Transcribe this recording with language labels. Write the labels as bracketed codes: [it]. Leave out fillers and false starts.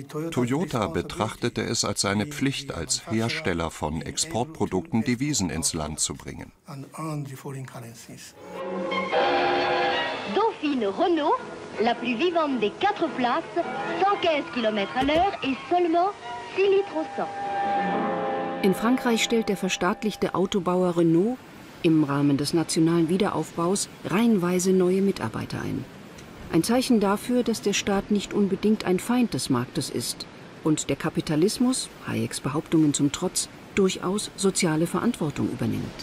[de] Toyota betrachtete es als seine Pflicht, als Hersteller von Exportprodukten Devisen ins Land zu bringen. [fr] Dauphine Renault, la plus vivante des quatre places, 115 km à l'heure et seulement 6 litres au 100. [de] In Frankreich stellt der verstaatlichte Autobauer Renault im Rahmen des nationalen Wiederaufbaus reihenweise neue Mitarbeiter ein. Ein Zeichen dafür, dass der Staat nicht unbedingt ein Feind des Marktes ist und der Kapitalismus, Hayeks Behauptungen zum Trotz, durchaus soziale Verantwortung übernimmt.